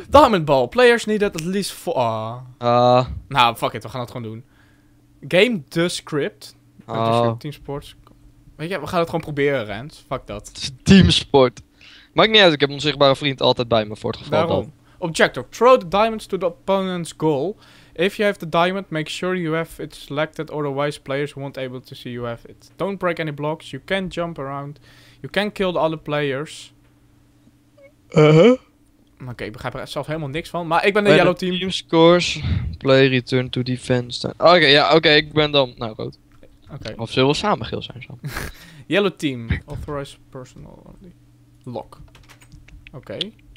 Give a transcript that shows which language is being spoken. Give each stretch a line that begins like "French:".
English: Diamond Ball. Players need at least 4.
Dutch: Nou, fuck it. We gaan het gewoon doen.
English: Game the script.
Dutch: Team Sports. Weet je, we gaan het gewoon proberen, Rens. Fuck dat. Team Sport. Maakt niet uit. Ik heb een onzichtbare vriend altijd bij me voor het geval. Waarom?
English: Objective. Throw the diamonds to the opponent's goal. If you have the diamond, make sure you have it selected, otherwise players won't able to see you have it. Don't break any blocks, you can jump around, you can kill the other players.
Dutch: Oké, ik begrijp er zelf helemaal niks van, maar ik ben de
English: yellow team. Team scores, play return to defense.
Dutch: Oké, ik ben dan, nou rood.
English: Okay.
Dutch: Of zullen we samen geel zijn, zo?
English: Yellow team, authorized personal only. Lock. Oké. Okay.